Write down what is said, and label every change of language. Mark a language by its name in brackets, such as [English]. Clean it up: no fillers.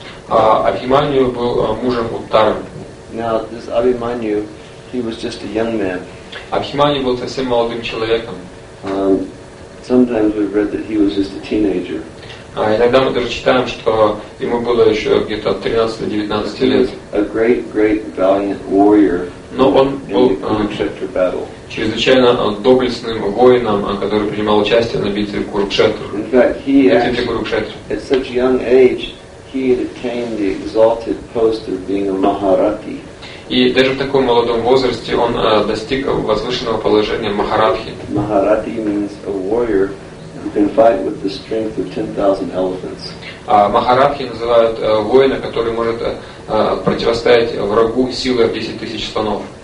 [Russian] Абхиманью был мужем Уттары. [English] Now, this Abhimanyu, he was just a young man. [Russian] Абхиманью был совсем молодым человеком. [English] Sometimes we've read that he was just a teenager. [Russian] Иногда мы даже читаем, что ему было еще где-то 13-19 лет. [English] A great, great, valiant warrior. [Russian] Но он был [English] Kurukshetra battle. [Russian] Чрезвычайно доблестным воином, который принимал участие на битве Курукшетры. [English] In fact, he actually, at such young age, he had attained the exalted post of being a Maharathi. [Russian] И даже в таком молодом возрасте он достиг возвышенного положения Махарадхи. [English] Maharathi means a warrior who can fight with the strength of 10,000 elephants. [Russian] Махарадхи называют воина, который может противостоять врагу силой 10,000 слонов.